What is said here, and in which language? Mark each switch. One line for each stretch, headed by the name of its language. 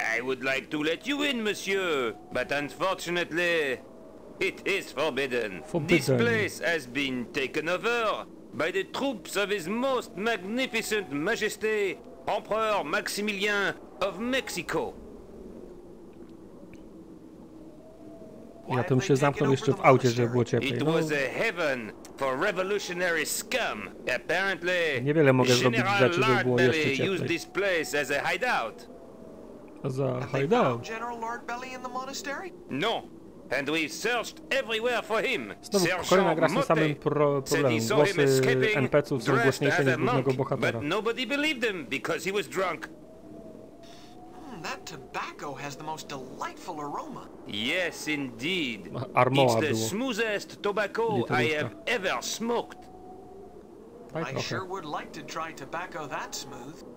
English: I would like to let you in, monsieur. But unfortunately, it is forbidden. This place has been taken over by the troops of his most magnificent majesty, Emperor Maximilian of Mexico.
Polish: Ja to się zamknął jeszcze w aucie, żeby było cieplej.
English: It was a heaven for revolutionary scum. Apparently,
Polish: niewiele mogę zrobić rzeczy, żeby było jeszcze cieplej.
English: Use this place as a hideout.
Polish: Za hideout.
English: General Lardbelly in the monastery? No. And we searched everywhere for him.
Polish: Znowu kolejna gra z tym samym problemem. Głosy NPC-ów są głośniejsze niż głównego bohatera.
English: But nobody believed him because he was drunk. That tobacco has the most delightful aroma. Yes, indeed. Armoa it's the
Polish: było.
English: Smoothest tobacco I have ever smoked. I sure would like to try tobacco that smooth.